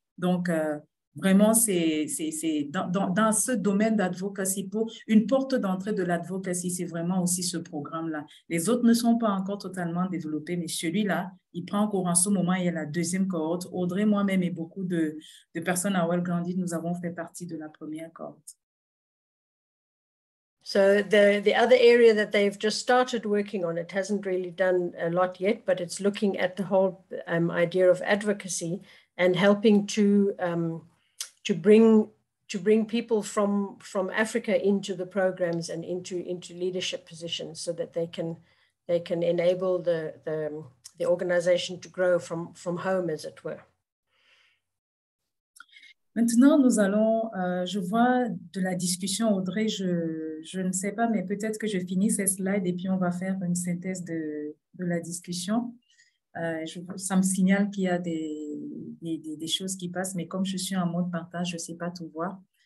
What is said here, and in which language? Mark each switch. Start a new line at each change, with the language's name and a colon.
French: Donc, vraiment, c'est dans ce domaine d'advocacy, pour une porte d'entrée de l'advocacy, c'est vraiment aussi ce programme-là. Les autres ne sont pas encore totalement développés, mais celui-là, il prend cours en ce moment, il y a la deuxième cohorte. Audrey, moi-même et beaucoup de personnes à World Grandit, nous avons fait partie de la première cohorte.
English: So the other area that they've just started working on, it hasn't really done a lot yet, but it's looking at the whole idea of advocacy and helping to bring people from Africa into the programs and into leadership positions so that they can enable the organization to grow from home, as it were.
French: Maintenant, nous allons, je vois de la discussion, Audrey, je ne sais pas, mais peut-être que je finis ces slides et puis on va faire une synthèse de la discussion. Ça me signale qu'il y a des choses qui passent, mais comme je suis en mode partage, je ne sais pas tout voir.